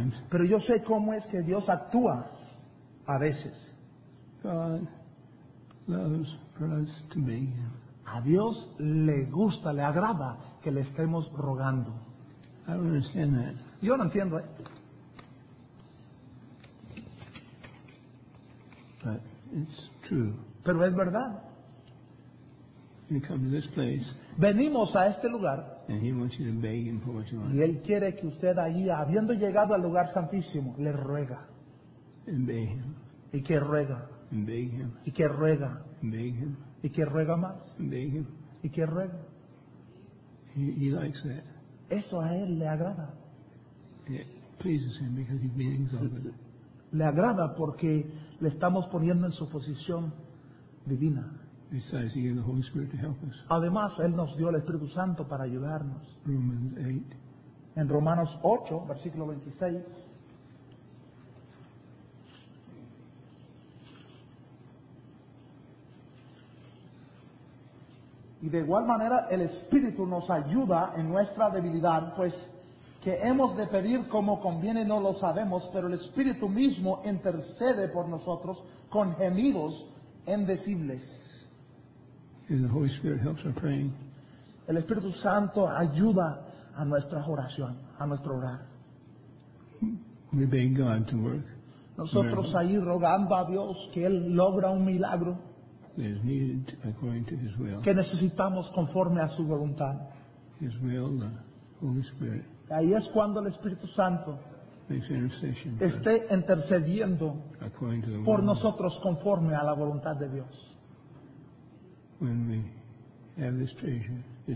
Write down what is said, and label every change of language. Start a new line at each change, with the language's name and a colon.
Spanish: Pero yo sé cómo es que Dios actúa a veces.
English: God loves for us to be him.
Spanish: A Dios le gusta, le agrada que le estemos rogando.
English: I don't understand that.
Spanish: Yo no entiendo.
English: But it's true.
Spanish: Pero es verdad.
English: You come to this place,
Spanish: venimos a este lugar,
English: and he wants you to beg him for what you want.
Spanish: Y él quiere que usted allí, habiendo llegado al lugar santísimo, le ruega.
English: And beg him.
Spanish: Y que ruega.
English: And beg him.
Spanish: Y que ruega.
English: And beg him.
Spanish: Y que ruega más.
English: And beg him.
Spanish: Y que ruega.
English: He likes that.
Spanish: Eso a él le agrada.
English: It pleases him because he's being exalted.
Spanish: Le agrada porque le estamos poniendo en su posición divina.
English: Besides, he gave the Holy Spirit to help us.
Spanish: Además, él nos dio el Espíritu Santo para ayudarnos.
English: Romans 8.
Spanish: En Romanos 8, versículo 26. Y de igual manera el Espíritu nos ayuda en nuestra debilidad, pues que hemos de pedir como conviene no lo sabemos, pero el Espíritu mismo intercede por nosotros con gemidos indecibles.
English: And the Holy Spirit helps our praying.
Spanish: El Espíritu Santo ayuda a nuestra oración, a nuestro orar.
English: We beg God to work.
Spanish: Nosotros ahí rogando a Dios que Él logra un milagro.
English: Is needed according to his will.
Spanish: Que necesitamos conforme a su voluntad.
English: His will, the Holy Spirit.
Spanish: Ahí es cuando el Espíritu Santo esté intercediendo por nosotros conforme a la voluntad de Dios.
English: When we have this treasure, this